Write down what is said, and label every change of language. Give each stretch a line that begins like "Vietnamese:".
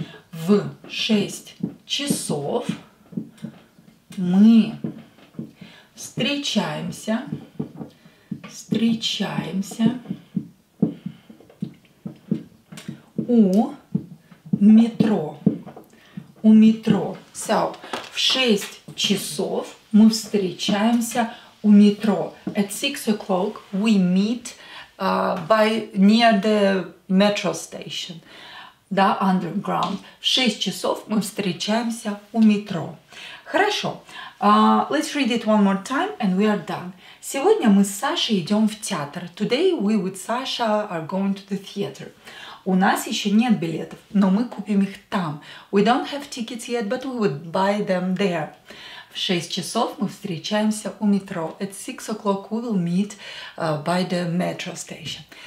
Russian: В 6 часов мы встречаемся. Встречаемся у метро. У метро. So, в 6 часов мы встречаемся у метро.
English: At 6 o'clock we meet near the metro station.
Russian: Да, underground. В 6 часов мы встречаемся у метро. Хорошо.
English: Let's read it one more time and we are done.
Russian: Сегодня мы с Сашей идем в театр.
English: Today we with Sasha are going to the theater.
Russian: У нас еще нет билетов, но мы купим их там.
English: We don't have tickets yet, but we would buy them there.
Russian: В 6 часов мы встречаемся у метро.
English: At 6 o'clock we will meet by the metro station.